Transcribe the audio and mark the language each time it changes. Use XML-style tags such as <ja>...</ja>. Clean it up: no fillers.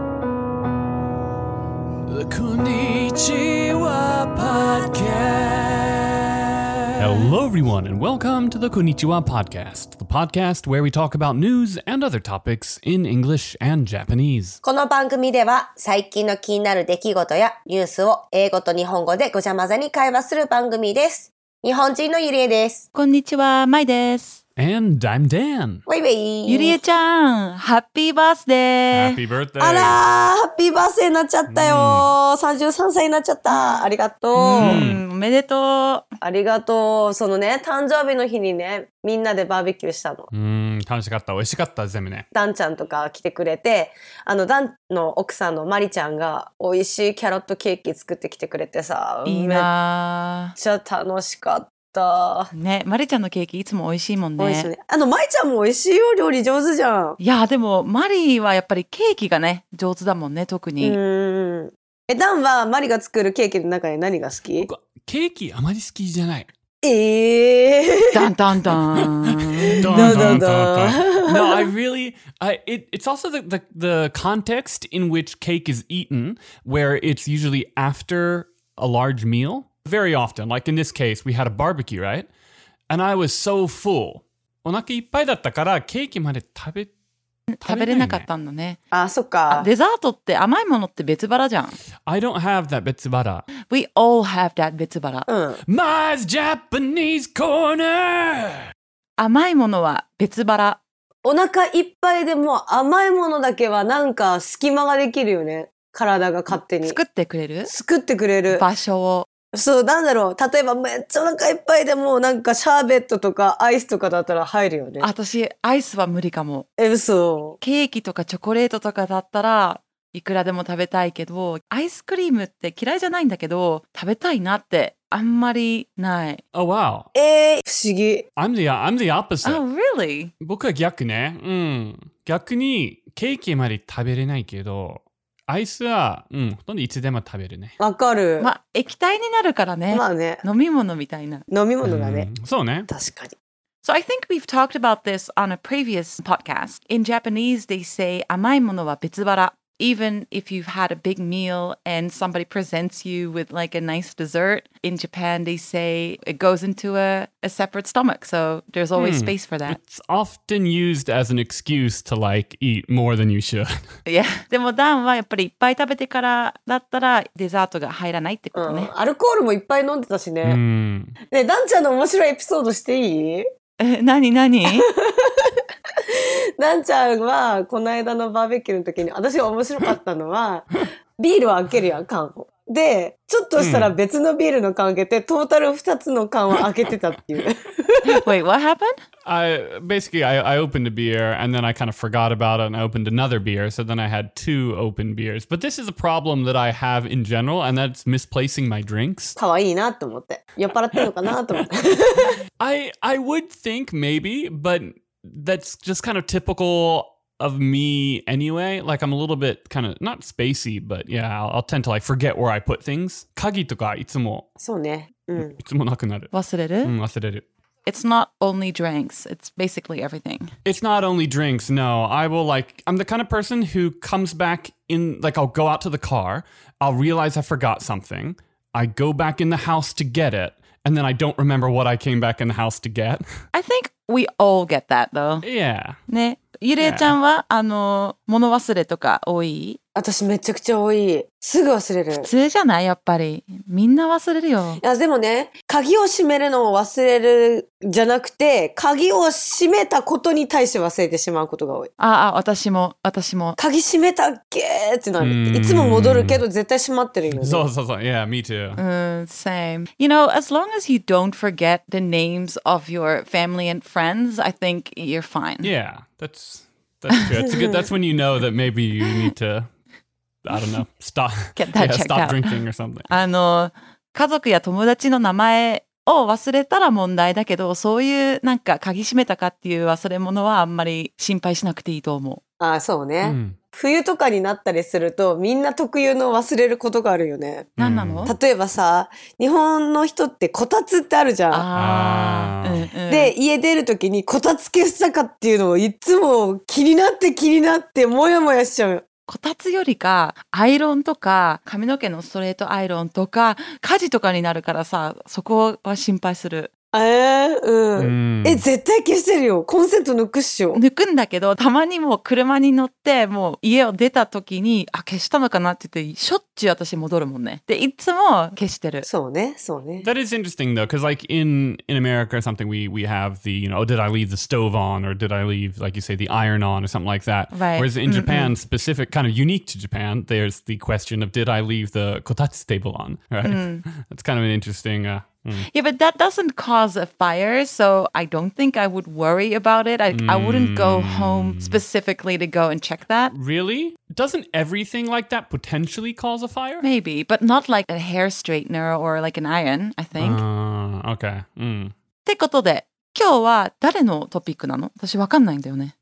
<ja>こんにちは、パッケース。</ja> <en>Hello everyone and welcome to the こんにちは podcast, the podcast where we talk about news and other topics in English and Japanese.</en> <ja>この番組では最近の気になる出来事やニュースを英語と日本語でごちゃ混ぜに会話する番組です。日本人のゆりえです。こんにちは、まいです。</ja> <en>And I'm Dan. Wait. Yuri-chan, happy birthday. Happy birthday.</en> <ja>あら、ハッピーバースデーになっちゃったよ。 33歳になっちゃった。ありがとう。おめでとう。ありがとう。そのね、誕生日の日にね、みんなでバーベキューしたの。楽しかった。美味しかった、全部ね。ダンちゃんとか来てくれて、あの、ダンの奥さんのマリちゃんが美味しいキャロットケーキ作ってきてくれてさ、いいな。めっちゃ楽しかった。ね、マリちゃんのケーキいつも美味しいもんね。美味しいね。あの、マリちゃんも美味しいよ、料理上手じゃん。いや、でも、マリはやっぱりケーキがね、上手だもんね、特に。え、ダンはマリが作るケーキの中で何が好き？僕、ケーキあまり好きじゃない。ダンダンダン。ダンダンダンダン。</ja> <en>No, I really, it's also the context in which cake is eaten, where it's usually after a large meal. Very often, like in this case, we had a barbecue, right? And I was so full.</en> <ja>お腹いっぱいだったからケーキまで食べれなかったんだね。あ、そっか。デザートって甘いものって別腹じゃん。</ja> <en>I don't have that 別腹。 We all have that 別腹。</en> <ja>うん。</ja> <en>My's Japanese Corner!</en> <ja>甘いものは別腹。お腹いっぱいでも甘いものだけはなんか隙間ができるよね。体が勝手に。作ってくれる？作ってくれる。場所を。そう、なんだろう。例えば、めっちゃお腹いっぱいでも、なんか、シャーベットとか、アイスとかだったら入るよね。私、アイスは無理かも。え、嘘。ケーキとかチョコレートとかだったら、いくらでも食べたいけど、アイスクリームって嫌いじゃないんだけど、食べたいなって、あんまりない。</ja> <en>Oh, wow.</en> <ja>不思議。</ja> <en>I'm the opposite. Oh, really?</en> <ja>僕は逆ね。うん。逆に、ケーキまで食べれないけど、アイスは、うん、ほとんどいつでも食べるね。わかる。まあ、液体になるからね。まあね。飲み物みたいな。飲み物だね。そうね。確かに。</ja> <en>So I think we've talked about this on a previous podcast. In Japanese, they say</en> <ja>甘いものは別腹。</ja> <en>Even if you've had a big meal and somebody presents you with like a nice dessert, in Japan, they say it goes into a separate stomach. So there's always space for that. It's often used as an excuse to like eat more than you should. Yeah.</en> <ja>でもダンはやっぱりいっぱい食べてからだったらデザートが入らないってことね。アルコールもいっぱい飲んでたしね。ね、ダンちゃんの面白いエピソードしていい？何何？ダンちゃんはこの間のバーベキューの時に私が面白かったのはビールを開けるやん缶をでちょっとしたら別のビールの缶を開けてトータル2つの缶を開けてたっていう</ja> <en>Wait, what happened? I basically opened a beer and then I kind of forgot about it and I opened another beer so then I had two open beers but this is a problem that I have in general and that's misplacing my drinks</en> <ja>かわいいなと思って酔っ払ってるのかなと思って</ja> <en>I would think maybe butThat's just kind of typical of me anyway. Like, I'm a little bit kind of, not spacey, but yeah, I'll tend to like forget where I put things.</en> <ja>鍵とかいつも。そうね。いつもなくなる。忘れる？うん、忘れる。</ja> <en>It's not only drinks. It's basically everything. It's not only drinks. No, I will like, I'm the kind of person who comes back in, like, I'll go out to the car. I'll realize I forgot something. I go back in the house to get it. And then I don't remember what I came back in the house to get. I think... We all get that, though. Yeah.</en> <ja>ね、ゆれちゃんは、あの、物忘れとか多い？私めちゃくちゃ多い。すぐ忘れる。普通じゃない？やっぱり。みんな忘れるよ。いや、でもね、鍵を閉めるのを忘れるじゃなくて、鍵を閉めたことに対して忘れてしまうことが多い。ああ、私も。鍵閉めたっけーってなる。いつも戻るけど絶対閉まってるよね。そうそうそう。</ja> <en>Yeah, me too. Same. You know, as long as you don't forget the names of your family and friends, I think you're fine. Yeah, that's good. That's when you know that maybe you need to, I don't know, stop, get that yeah, stop drinking or something.</en> <ja>あの、家族や友達の名前を忘れたら問題だけど、そういうなんか鍵閉めたかっていう忘れ物はあんまり心配しなくていいと思う。ああ、そうね。冬とかになったりするとみんな特有の忘れることがあるよね。何なの？例えばさ、日本の人ってこたつってあるじゃん。ああ。で、家出るときにこたつ消したかっていうのをいつも気になって気になってもやもやしちゃう。こたつよりかアイロンとか髪の毛のストレートアイロンとか家事とかになるからさ、そこは心配する。え、絶対消してるよ。コンセント抜くっしょ。抜くんだけど、たまにもう車に乗って、もう家を出た時に、あ、消したのかなって言って、しょっちゅう私戻るもんね。で、いつも消してる。そうね、そうね。</ja> <en>That is interesting though, because like in America or something, we have the, you know, oh, did I leave the stove on? Or did I leave, like you say, the iron on? Or something like that. Right. Whereas in Japan,、mm-hmm. specific, kind of unique to Japan, there's the question of did I leave the kotatsu table on? Right?、Mm. That's kind of an interesting... Mm. Yeah, but that doesn't cause a fire, so I don't think I would worry about it. I wouldn't go home specifically to go and check that. Really? Doesn't everything like that potentially cause a fire? Maybe, but not like a hair straightener or like an iron, I think. Okay.</en> <ja>てことで、今日は誰のトピックなの？私わかんないんだよね。</ja>